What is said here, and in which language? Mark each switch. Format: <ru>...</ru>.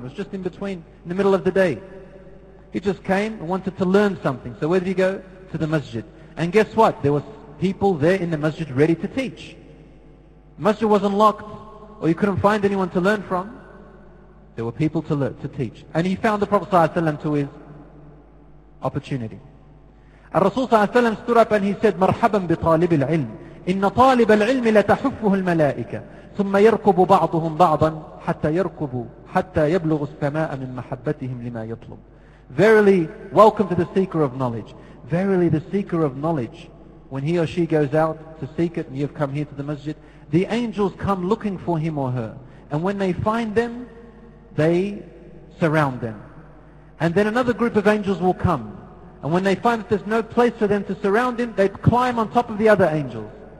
<en>It was just in between, in the middle of the day. He just came and wanted to learn something. So where did he go? To the masjid. And guess what? There was people there in the masjid ready to teach. The masjid wasn't locked, or you couldn't find anyone to learn from. There were people to learn, to teach. And he found the Prophet ﷺ to his opportunity. And Rasul ﷺ stood up and he said,</en> <ar>مَرْحَبًا بِطَالِبِ الْعِلْمِ إِنَّ طَالِبَ الْعِلْمِ لَتَحُفُّهُ الْمَلَائِكَةِ ثُمَّ يَرْكُبُ بَعْضُهُمْ بَعْضًا حَتَّى يَبْلُغُ السَّمَاءَ مِنْ مَحَبَّتِهِمْ لِمَا يَطْلُبُ.</ar> <en>Verily, welcome to the seeker of knowledge. Verily, the seeker of knowledge, when he or she goes out to seek it, and you have come here to the masjid, the angels come looking for him or her. And when they find them, they surround them. And then another group of angels will come. And when they find that there's no place for them to surround him, they climb on top of the other angels.</en>